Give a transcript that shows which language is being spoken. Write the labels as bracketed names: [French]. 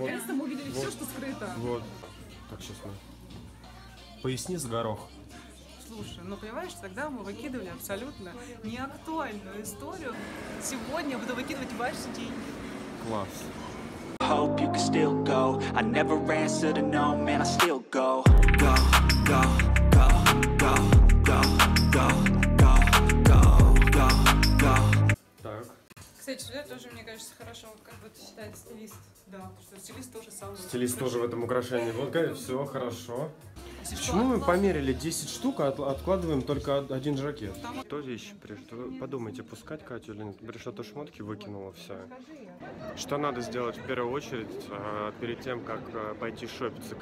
[Russian] Наконец-то мы увидели все, что скрыто. Вот. Так, сейчас мы. Поясни за горох. Слушай, ну понимаешь, тогда мы выкидывали абсолютно неактуальную историю. Сегодня буду выкидывать ваши деньги. Класс. [English] Hope you can still go. I never answer to no, man, I still go. Go, go, go, go, go, go, go, go, go, go. [Russian] Так. Кстати, сюда тоже, мне кажется, хорошо, как бы ты считаешь, стилист. Да, что стилист тоже сам. Стилист тоже в этом украшении. Вот, говорит, все хорошо. Почему мы померили 10 штук, а откладываем только один жакет? Что вещи пришли? Подумайте, пускать Катю или нет? Пришла-то шмотки, выкинула все. Что надо сделать в первую очередь, перед тем, как пойти шопиться?